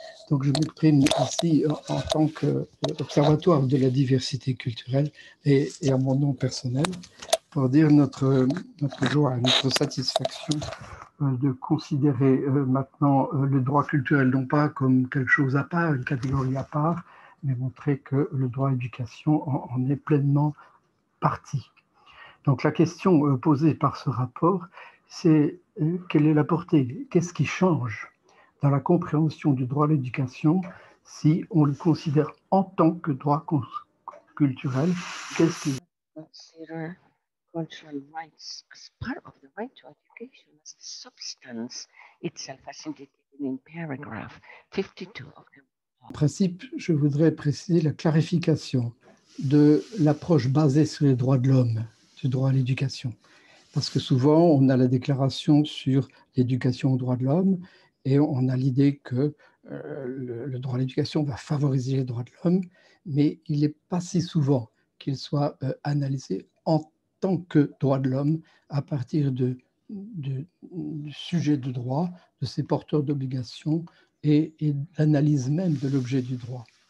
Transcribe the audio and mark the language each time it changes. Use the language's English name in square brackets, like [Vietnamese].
[French] Donc je m'exprime ici en tant qu'observatoire de la diversité culturelle et à mon nom personnel pour dire notre joie, notre satisfaction de considérer maintenant le droit culturel non pas comme quelque chose à part, une catégorie à part, mais montrer que le droit à l'éducation en est pleinement partie. Donc la question posée par ce rapport, c'est quelle est la portée? Qu'est-ce qui change dans la compréhension du droit à l'éducation si on le considère en tant que droit culturel? Qu'est-ce qui [English] consider cultural rights as part of the right to education as the substance itself as indicated in paragraph 52 of the report. [French] En principe, je voudrais préciser la clarification de l'approche basée sur les droits de l'homme. Du droit à l'éducation. Parce que souvent, on a la déclaration sur l'éducation aux droits de l'homme et on a l'idée que le droit à l'éducation va favoriser les droits de l'homme, mais il n'est pas si souvent qu'il soit analysé en tant que droit de l'homme à partir du sujet de droit, de ses porteurs d'obligations et l'analyse même de l'objet du droit.